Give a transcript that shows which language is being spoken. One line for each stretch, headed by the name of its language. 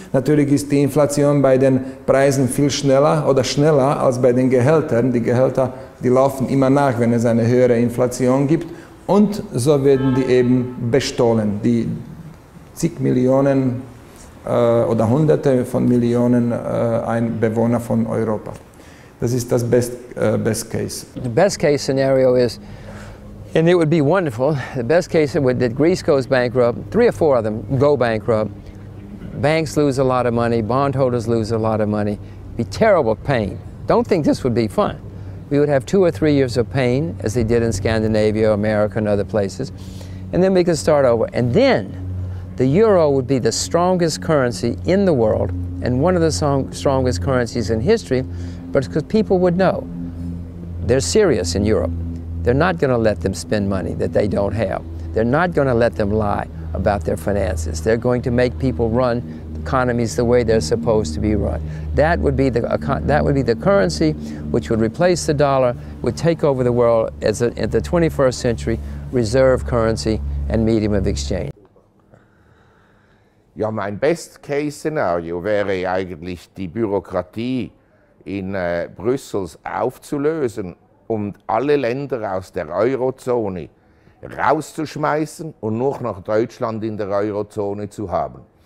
German: Natürlich ist die Inflation bei den Preisen viel schneller oder schneller als bei den Gehältern. Die Gehälter, die laufen immer nach, wenn es eine höhere Inflation gibt. Und so werden die eben bestohlen. Die zig Millionen oder Hunderte von Millionen Einwohner von Europa. Das ist das best case.
English: The best case scenario is, and it would be wonderful, the best case would that Greece goes bankrupt, 3 or 4 of them go bankrupt, banks lose a lot of money, bondholders lose a lot of money, be terrible pain. Don't think this would be fun. We would have 2 or 3 years of pain, as they did in Scandinavia, America, and other places, and then we could start over. And then the euro would be the strongest currency in the world, and one of the strongest currencies in history, but it's because people would know they're serious in Europe. They're not going to let them spend money that they don't have. They're not going to let them lie about their finances. They're going to make people run economies the way they're supposed to be run. That would be the currency which would replace the dollar, would take over the world as in the 21st century reserve currency and medium of exchange.
German: Ja, mein Best-Case-Szenario wäre eigentlich, die Bürokratie in Brüssels aufzulösen und alle Länder aus der Eurozone rauszuschmeißen und nur noch Deutschland in der Eurozone zu haben.